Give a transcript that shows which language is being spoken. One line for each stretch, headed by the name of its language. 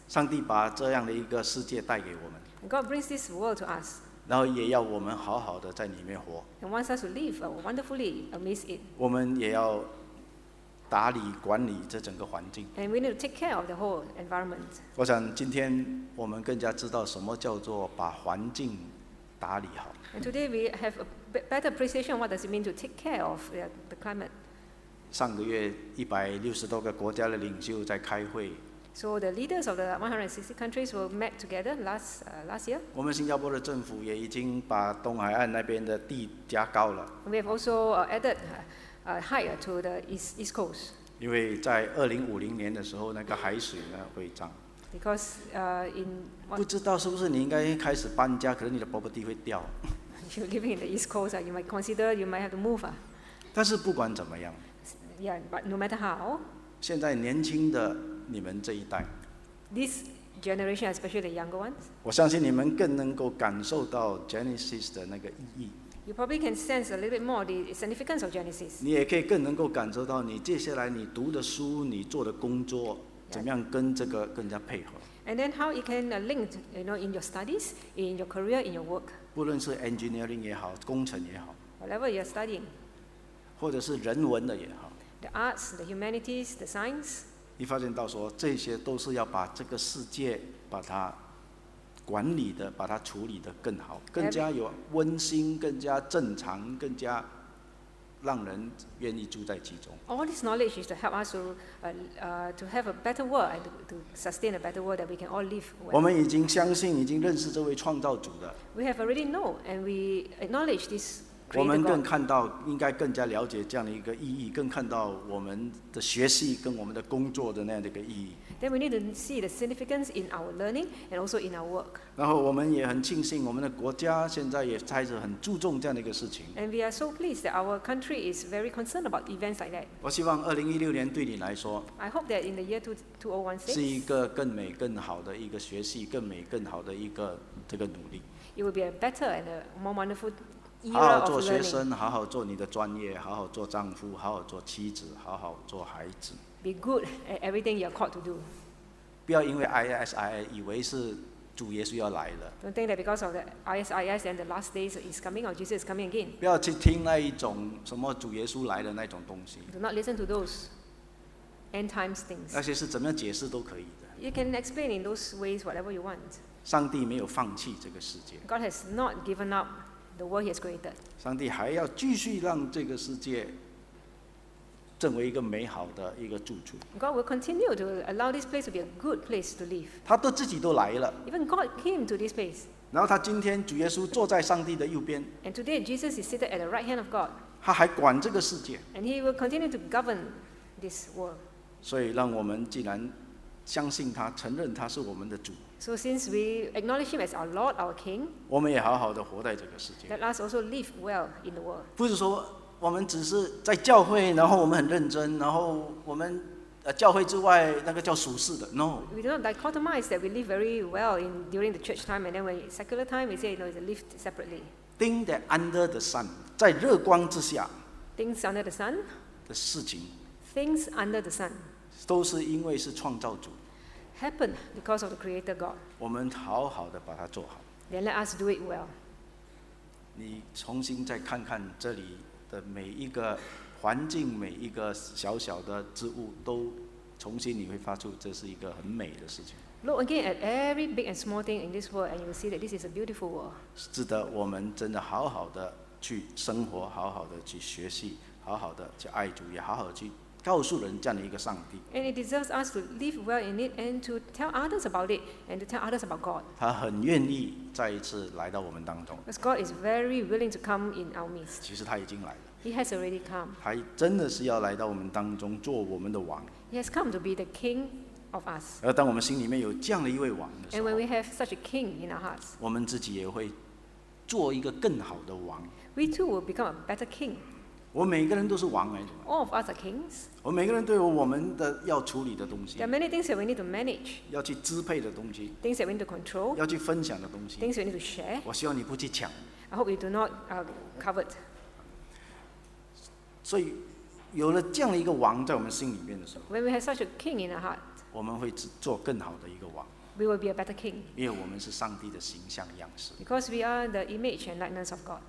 Chinese: 上帝把这样的一个世界带给我们。
English: God brings this world to us.
Chinese: 然后也要我们好好的在里面活。
English: He wants us to live wonderfully amidst it.
Chinese: 我们也要打理管理这整个环境。
English: And we need to take care of the whole environment.
Chinese: 我想今天我们更加知道什么叫做把环境打理好。
English: And today we have a better appreciation of what does it mean to take care of the climate.
Chinese: 上个月160多个国家的领袖在开会。
English: So the leaders of the 160 countries were met together last year.
Chinese: 我们新加坡的政府也已经把东海岸那边的地加高了。
English: We have also added higher to the east coast.
Chinese: 因为在2050年的时候，那个海水呢会涨。
English: Because in
Chinese: 不知道是不是你应该开始搬家，可能你的 property 会掉。
English: If you're living in the east coast, you might consider you might have to move.
Chinese: 但是不管怎么样。
English: Yeah, but no matter how.
Chinese: 现在年轻的你们这一代
English: ，this generation, especially the younger ones.
Chinese: 我相信你们更能够感受到 Genesis 的那个意义。
English: You probably can sense a little bit more the significance of Genesis.
Chinese: 你也可以更能够感受到你接下来你读的书、你做的工作怎么样跟这个更加配合。
English: And then how it can link, you know, in your studies, in your career, in your work.
Chinese: 不论是 engineering 也好，工程也好
English: ，whatever you're studying.
Chinese: 或者是人文的也好。
English: The arts, the humanities, the science.
Chinese: 你发现到说，这些都是要把这个世界把它管理的，把它处理的更好，更加有温馨，更加正常，更加让人愿意住在其中。
English: All this knowledge is to help us to have a better world and to sustain a better world that we can all live.
Chinese: 我们已经相信，已经认识这位创造主的。
English: We have already know and we acknowledge this.
Chinese: 我们更看到，应该更加了解这样的一个意义，更看到我们的学习跟我们的工作的那样的一个意义。
English: Then we need to see the significance in our learning and also in our work.
Chinese: 然后我们也很庆幸，我们的国家现在也开始很注重这样的一个事情。
English: And we are so pleased that our country is very concerned about events like that.
Chinese: 我希望2016年对你来说
English: ，I hope that in the year 2016
Chinese: 是一个更美、更好的一个学习，更美、更好的一个这个努力。
English: It will be a better and a more wonderful.
Chinese: 好好做学生，好好做你的专业，好好做丈夫，好好做妻子，好好做孩子。
English: Be good at everything you're called to do.
Chinese: 不要因为 ISIS 以为是主耶稣要来了。
English: Don't think that because of the ISIS and the last days is coming or Jesus is coming again.
Chinese: 不要去听那一种什么主耶稣来的那种东西。
English: Do not listen to those end times things.
Chinese: 那些是怎么样解释都可以的。
English: You can explain in those ways whatever you want.
Chinese: 上帝没有放弃这个世界。
English: God has not given up. The world he has created.
Chinese: 上帝还要继续让这个世界成为一个美好的一个住处。
English: God will continue to allow this place to be a good place to live.
Chinese: 他都自己都来了。
English: Even God came to this place.
Chinese: 然后他今天主耶稣坐在上帝的右边。
English: And today Jesus is seated at the right hand of God.
Chinese: 他还管这个世界。
English: And he will continue to govern this world.
Chinese: 所以让我们既然相信他，承认他是我们的主。
English: So since we acknowledge him as our Lord, our King,
Chinese: 我们也好好的活在这个世界。
English: Let us also live well in the world.
Chinese: 不是说我们只是在教会，然后我们很认真，然后我们教会之外那个叫属世的。
English: No. We do not dichotomize that we live very well in during the church time, and then when secular time, we say you know it's lived separately. Things that under the sun,
Chinese: 在热光之下。
English: Things under the sun.
Chinese: 的事情。
English: Things under the sun.
Chinese: 都是因为是创造主。
English: Happen because of the Creator God.
Chinese: 我们好好的把它做好。
English: Then let us do it well.
Chinese: 你重新再看看这里的每一个环境，每一个小小的植物，都重新你会发出这是一个很美的事情。
English: Look again at every big and small thing in this world, and you will see that this is a beautiful world.
Chinese: 值得我们真的好好的去生活，好好的去学习，好好的去爱主，也好好去。告诉人这样的一个上帝。
English: And it deserves us to live well in it and to tell others about it and to tell others about God.
Chinese: 他很愿意再一次来到我们当中。
English: Because God is very willing to come in our midst.
Chinese: 其实他已经来了。
English: He has already come.
Chinese: 他真的是要来到我们当中做我们的王。
English: He has come to be the king of us.
Chinese: 而当我们心里面有这样的一位王的时候。
English: And when we have such a king in our hearts.
Chinese: 我们自己也会做一个更好的王。
English: We too will become a better king.
Chinese: 我每个人都是王哎。
English: All of us are kings.
Chinese: 我每个人都有我们的要处理的东西。
English: There are many things that we need to manage.
Chinese: 要去支配的东西。
English: Things that we need to control.
Chinese: 要去分享的东西。
English: Things we need to share.
Chinese: 我希望你不去抢。
English: I hope you do not covet.
Chinese: 所以有了这样的一个王在我们心里面的时候。
English: When we have such a king in our heart.
Chinese: 我们会做更好的一个王。
English: We will be a better king.
Chinese: 因为我们是上帝的形象样式。
English: Because we are the image and likeness of God.